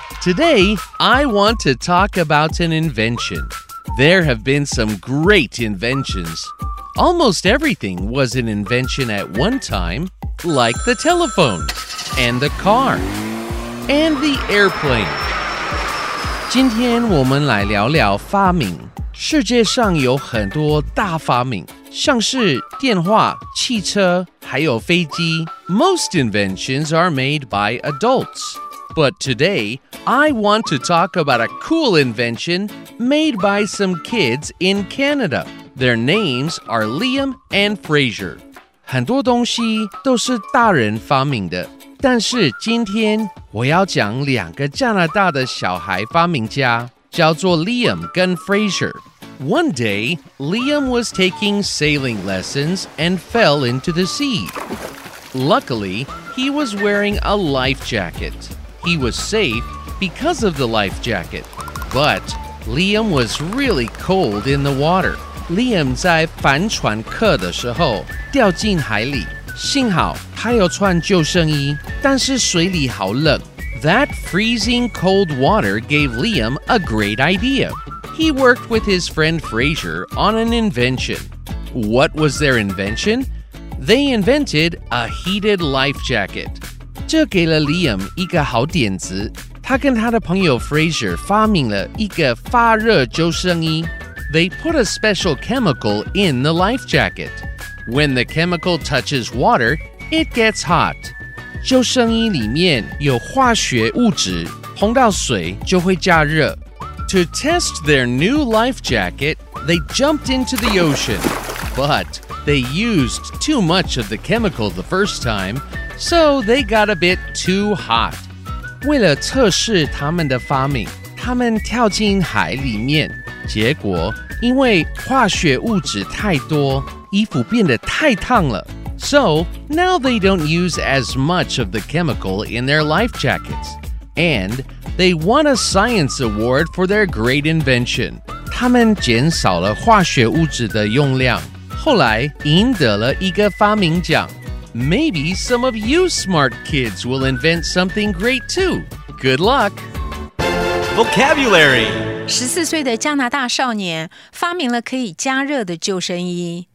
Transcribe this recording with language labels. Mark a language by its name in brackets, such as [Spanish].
[English] Today, I want to talk about an invention. There have been some great inventions. Almost everything was an invention at one time, like the telephone, and the car, and the airplane. [Chinese] 今天我们来聊聊发明。世界上有很多大发明，像是电话、汽车、还有飞机。 [English] Most inventions are made by adults. But today, I want to talk about a cool invention made by some kids in Canada. Their names are Liam and Fraser. [Chinese] 很多东西都是大人发明的。但是今天我要讲两个加拿大的小孩发明家，叫做 Liam 跟 Fraser. [English] One day, Liam was taking sailing lessons and fell into the sea. Luckily, he was wearing a life jacket. He was safe because of the life jacket, but Liam was really cold in the water. [Chinese] Liam 在帆船课的时候掉进海里，幸好他有穿救生衣，但是水里好冷。 [English] That freezing cold water gave Liam a great idea. He worked with his friend Fraser on an invention. What was their invention? They invented a heated life jacket. [Chinese] 这给了 Liam 一个好点子，他跟他的朋友 Fraser 发明了一个发热救生衣。 [English] They put a special chemical in the life jacket. When the chemical touches water, it gets hot. [Chinese] 救生衣里面有化学物质，碰到水就会加热。 [English] To test their new life jacket, they jumped into the ocean. But they used too much of the chemical the first time,So they got a bit too hot. [Chinese] 为了测试他们的发明，他们跳进海里面。结果因为化学物质太多，衣服变得太烫了。 [English] So now they don't use as much of the chemical in their life jackets. And they won a science award for their great invention. [Chinese] 他们减少了化学物质的用量，后来赢得了一个发明奖。 [English] Maybe some of you smart kids will invent something great too. Good luck! Vocabulary! [Chinese] 14岁的加拿大少年发明了可以加热的救生衣。